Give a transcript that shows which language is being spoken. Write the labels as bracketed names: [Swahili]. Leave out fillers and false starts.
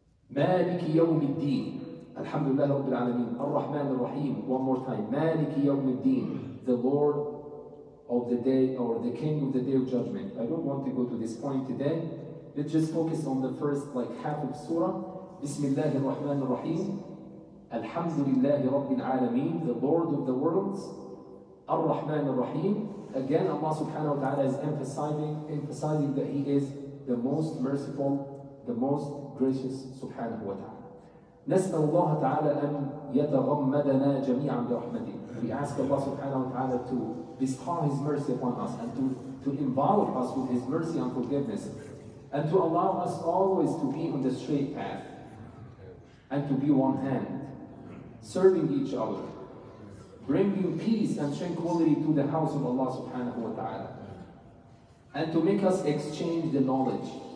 [Arabic] مالك يوم الدين الحمد لله رب العالمين الرحمن الرحيم [English] one more time [Arabic] مالك يوم الدين [English] the Lord of the day or the King of the day of judgment. I don't want to go to this point today. Let's just focus on the first like half of surah. [Arabic] بسم الله الرحمن الرحيم الحمد لله رب العالمين [English] the Lord of the worlds [Arabic] الرحمن الرحيم. [English] Again Allah subhanahu wa ta'ala is emphasizing that He is the most merciful, the most gracious subhanahu wa ta'ala. [Arabic] نسأل الله تعالى أن يتغمدنا جميعا برحمته. [English] We ask Allah subhanahu wa ta'ala to bestow His mercy upon us and to involve us with His mercy and forgiveness and to allow us always to be on the straight path and to be one hand, serving each other, bringing peace and tranquility to the house of Allah subhanahu wa ta'ala and to make us exchange the knowledge